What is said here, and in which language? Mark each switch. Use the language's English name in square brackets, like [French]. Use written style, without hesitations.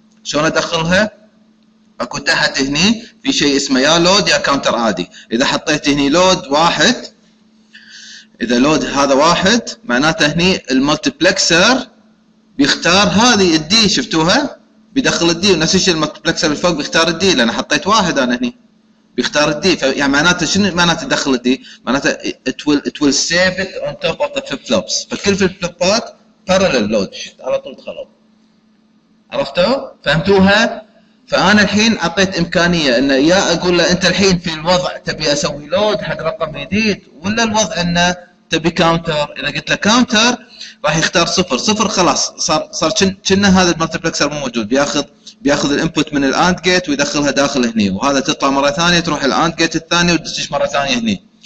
[Arabic] شلون ادخلها؟ اكو تحت هني في شيء اسمه يا لود يا كاونتر عادي. اذا حطيت هني لود واحد، اذا لود هذا واحد معناته هني المالتيبلكسر بيختار هذه الدي، شفتوها؟ بيدخل الدي. ونفس الشيء المالتيبلكسر اللي فوق بيختار الدي، لان حطيت واحد انا هني بيختار الدي. يعني معناته شنو معناته تدخل الدي؟ معناته [English] it will save it on top of the flip flops. [Arabic] فكل في [English] flip flops parallel load [Arabic] على طول دخلوا. عرفتوا؟ فهمتوها؟ فانا الحين اعطيت امكانيه انه يا اقول له انت الحين في الوضع تبي اسوي لود حق رقم جديد، ولا الوضع انه تبي كاونتر. اذا قلت له كاونتر راح يختار صفر صفر، خلاص صار كنا هذا المالتيبلكسر مو موجود، بياخذ الانبوت من الاند جيت ويدخلها داخل هني، وهذا تطلع مره ثانيه تروح الاند جيت الثانيه وتدش مره ثانيه هني.